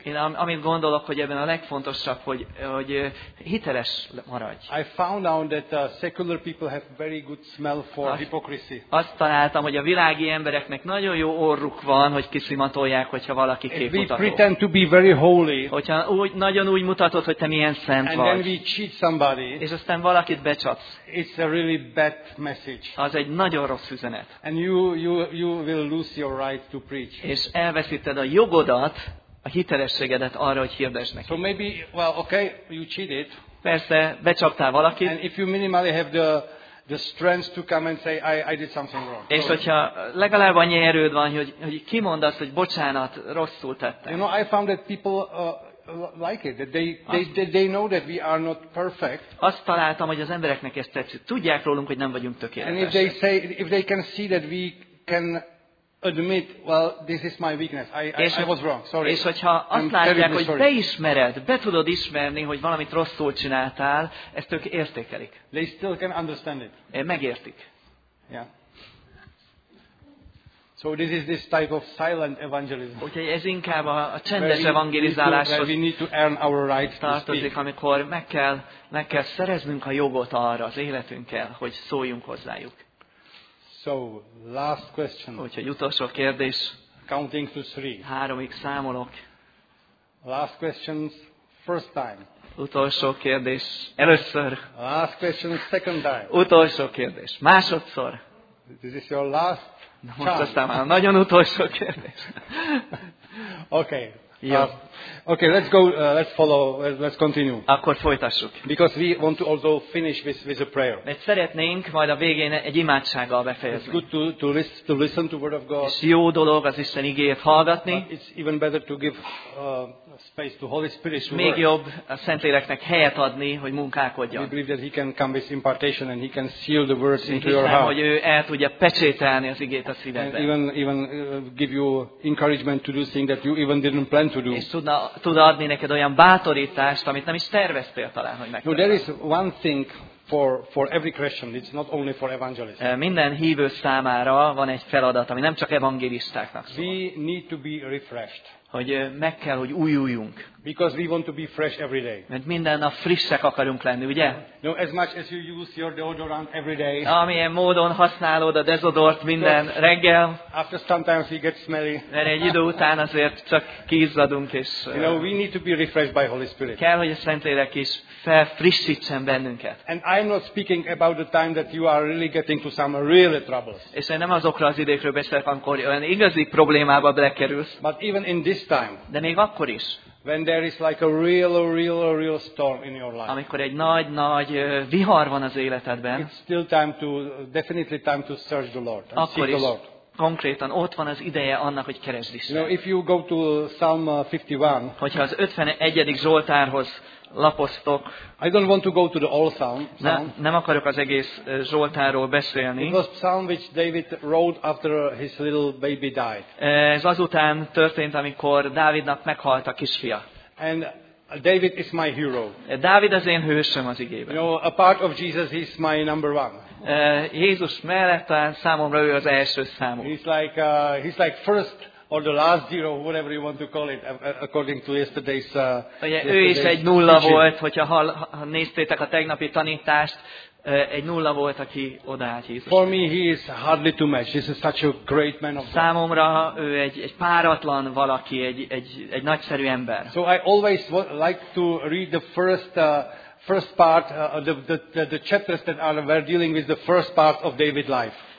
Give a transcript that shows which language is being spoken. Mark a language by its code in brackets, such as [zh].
[hu] Én amit gondolok, hogy ebben a legfontosabb, hogy hiteles maradj. [en] I found out that secular people have very good smell for hypocrisy. [hu] Azt találtam, hogy a világi embereknek nagyon jó orruk van, hogy kiszimatolják, hogyha valaki képmutató. [en] If we pretend to be very holy. [hu] Hogyha nagyon úgy mutatod, hogy te milyen szent [en] and [hu] vagy. [en] And then we cheat somebody. [hu] És aztán valakit becsapsz. [en] It's a really bad message. [hu] Az egy nagyon rossz üzenet. [en] And you will lose your right to preach. [hu] És elveszíted a jogodat, a hitelességedet arra, hogy hirdesd neki. [en] So maybe, well, okay, you cheated. [hu] Persze, becsaptál valakit. [en] And if you minimally have the strength to come and say I did something wrong. [hu] És hogyha legalább annyi erőd van, hogy kimondasz, hogy bocsánat, rosszul tettem. [en] You know, I found that people like it, that they know that we are not perfect. [hu] Azt találtam, hogy az embereknek ez tetszik. Tudják rólunk, hogy nem vagyunk tökéletesek. [en] And if they can see that we can admit, well, this is my weakness. I was wrong. Sorry. [hu] És hogyha azt látják, hogy beismered, be tudod ismerni, hogy valamit rosszul csináltál, ezt ők értékelik. [en] They still can understand it. [hu] Megértik. [en] Yeah. So this is this type of silent evangelism. [hu] Okay, ez inkább a csendes evangelizáláshoz. [en] Where we need to earn our right to speak. [hu] Tartozik, amikor meg kell szereznünk a jogot arra az életünkkel, hogy szóljunk hozzájuk. [en] So last question. [hu] Úgyhogy utolsó kérdés. [en] Counting to three. [hu] Háromig számolok. [en] Last questions, first time. [hu] Utolsó kérdés, először. [en] Last question, second time. [hu] Utolsó kérdés, másodszor. [en] This is your last. [hu] Most aztán már nagyon utolsó kérdés. [en] Okay. [hu] Jó. [en] Okay, let's go. Let's follow. Let's continue. [hu] Akkor folytassuk. [en] Because we want to also finish with a prayer. [hu] Mert szeretnénk majd a végén egy imádsággal befejezni. [en] It's good to listen to word of God. [hu] És jó dolog az Isten igéjét hallgatni. [en] But it's even better to give space to Holy Spirit. [hu] Még jobb a Szentléleknek helyet adni, hogy munkálkodjon. [en] We believe that He can come with impartation and He can seal the words into your heart. [hu] Hogy ő el tudja pecsételni az igét a szívedben. [en] And even give you encouragement to do things that you even didn't plan to do. [hu] Tud adni neked olyan bátorítást, amit nem is terveztél talán, hogy megtudod. [en] No, there is one thing for every Christian. It's not only for evangelists. [hu] Minden hívő számára van egy feladat, ami nem csak evangélistáknak szól. [en] We need to be refreshed. [hu] Hogy meg kell, hogy újuljunk. [en] Because we want to be fresh every day. [hu] Mert minden nap frissek akarunk lenni, ugye? [en] No, as much as you use your deodorant every day. [hu] Amilyen módon használod a dezodort minden reggel. [en] After some time we get smelly. [hu] Mert egy idő után azért csak kiizzadunk és. [en] You know, we need to be refreshed by Holy Spirit. [hu] Kell, hogy a Szentlélek is felfrissítsen bennünket. [en] And I'm not speaking about the time that you are really getting to some real troubles. [hu] És én nem azokra az időkről beszélek, amikor olyan igazi problémába belekerülsz. [en] But even in this time. [hu] De még akkor is. [en] When there is like a real storm in your life. [hu] Amikor egy nagy vihar van az életedben. [en] It's still definitely time to search the Lord. And [hu] akkor [en] seek [hu] is [en] the Lord. [hu] Konkrétan ott van az ideje annak, hogy keresd Istent. [en] Now if you go to Psalm 51. [hu] Hogyha az 51. Zsoltárhoz lapoztok. [en] I don't want to go to the old Psalm. [hu] Nem akarok az egész Zsoltárról beszélni. [en] It was Psalm which David wrote after his little baby died. [hu] Ez azután történt, amikor Dávidnak meghalt a kisfia. [en] And David is my hero. [hu] Dávid az én hősöm az igében. [en] You know, a part of Jesus is my number one. [hu] Jézus mellett számomra ő az első számú. [en] He's like first or the last zero, whatever you want to call it, according to yesterday's. [hu] Ő is egy nulla volt, hogyha néztétek a tegnapi tanítást, egy nulla volt, aki odaállt Jézus. [en] For me, he is hardly to match. He's such a great man of God. [hu] Számomra ő egy páratlan valaki, egy nagyszerű ember. [en] So I always like to read the first part the chapters that are we're dealing with the first part of David's life.